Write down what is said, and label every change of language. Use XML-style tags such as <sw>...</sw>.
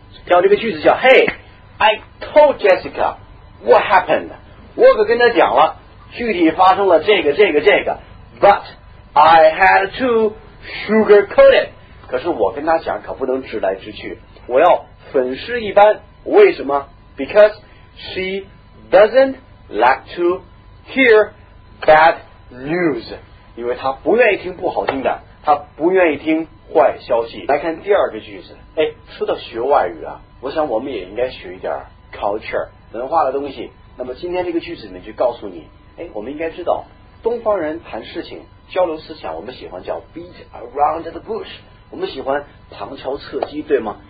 <zh>像这个句子叫</zh> <en>Hey, I told Jessica what happened.</en> <zh>我可跟他讲了，具体发生了这个。</zh> <en>But I had to sugarcoat it.</en> <zh>可是我跟他讲可不能直来直去，我要粉饰一般。为什么</zh> <en>？Because she doesn't like to hear bad news.</en> <zh>因为他不愿意听不好听的，他不愿意听坏消息。来看第二个句子。哎，说到学外语啊，我想我们也应该学一点 culture 文化的东西。那么今天这个句子里面就告诉你，哎，我们应该知道东方人谈事情交流思想，我们喜欢叫</zh> <en>beat around the bush，</en> <zh>我们喜欢旁敲侧击，对吗？</zh>